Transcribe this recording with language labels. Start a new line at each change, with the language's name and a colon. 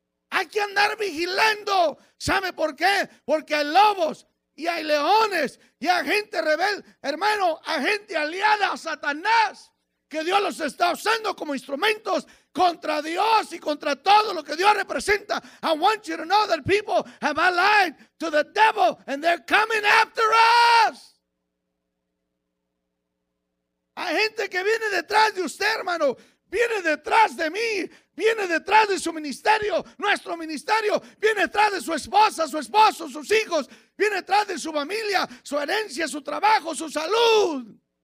Spanish: Hay que andar vigilando. ¿Sabe por qué? Porque hay lobos y hay leones y hay gente rebelde, hermano, hay gente aliada a Satanás, que Dios los está usando como instrumentos contra Dios y contra todo lo que Dios representa.
English: I want you to know that people have allied to the devil and they're coming after us.
Spanish: Hay gente que viene detrás de usted, hermano, viene detrás de mí, viene detrás de su ministerio, nuestro ministerio, viene detrás de su esposa, su esposo, sus hijos, viene detrás de su familia, su herencia, su trabajo, su salud.